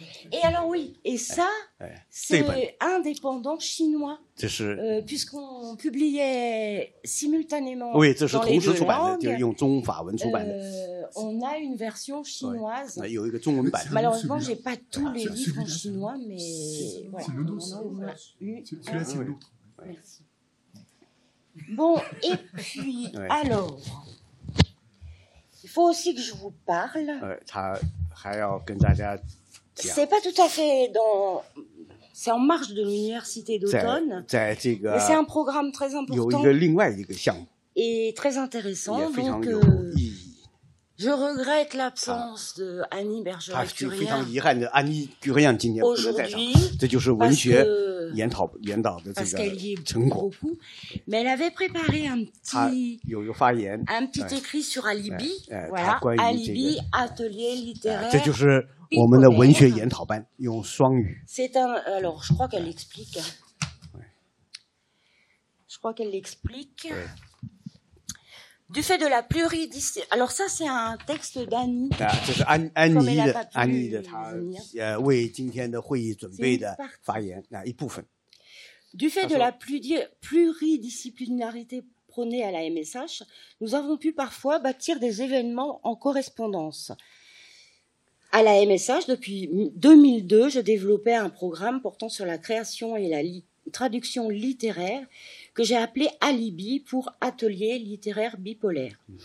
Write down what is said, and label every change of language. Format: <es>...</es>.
<fr>Et alors oui, et ça, c'est indépendant chinois. Puisqu'on publiait simultanément. Oui, c'est</fr> <zh>同时出版的，就是用中法文出版的。</zh> <fr>On a une version chinoise.</fr> <zh>有一个中文版。</zh> <fr>Malheureusement, j'ai pas tous les livres en chinois, mais voilà. On a eu. Merci. Bon, et puis alors, il faut aussi que je vous parle.</fr> <zh>他还要跟大家。</zh> <fr>C'est pas tout à fait dans, c'est en marge de l'université d'automne.</fr> <zh>在这个，</zh> <fr>mais c'est un programme très important.</fr> <zh>有一个另外一个项目。</zh> <fr>Et très intéressant.</fr> <zh>也非常有意义。</zh> <fr>Je regrette l'absence de Annie Bergeret-Curien.</fr> <zh>他就非常遗憾的，安妮·古瑞安今年不能在场。这就是文学研讨研导的这个成果。</zh> <fr>Mais elle avait préparé un petit.</fr> <zh>有一个发言。</zh> <fr>Un petit écrit sur Alibi. Alibi atelier littéraire.</fr> <zh>这就是。我们的文学研讨班用双语。</zh> <fr>C'est un, alors, je crois qu'elle l'explique. Je crois qu'elle l'explique. Du fait de la pluridisciplinarité. Alors ça, c'est un texte d'Annie.</fr> <zh>这是安妮的安妮的她为今天的会议准备的发言那一部分。</zh> <fr>Du fait de la pluridisciplinarité prônée à la MSH, nous avons pu parfois bâtir des événements en correspondance. À la MSH, depuis 2002, je développais un programme portant sur la création et la traduction littéraire que j'ai appelé Alibi pour atelier littéraire bipolaire.</fr>